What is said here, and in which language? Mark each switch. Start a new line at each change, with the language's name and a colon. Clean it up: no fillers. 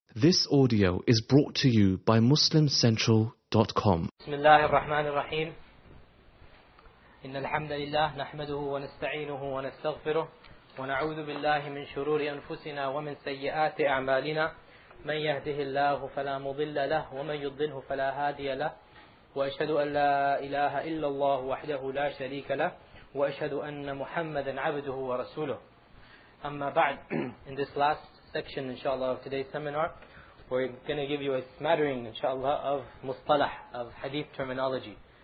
English: This audio is brought to you by MuslimCentral.com.
Arabic: بسم الله الرحمن الرحيم. إن الحمد لله نحمده ونستعينه ونستغفره ونعوذ بالله من شرور أنفسنا ومن سيئات أعمالنا. من يهده الله فلا مضل له ومن يضله فلا هادي له. وأشهد أن لا إله إلا الله وحده لا شريك له. وأشهد أن محمدا عبده ورسوله. أما بعد,
English: in this last section, inshallah, of today's seminar, we're going to give you a smattering, inshallah, of mustalah, of hadith terminology.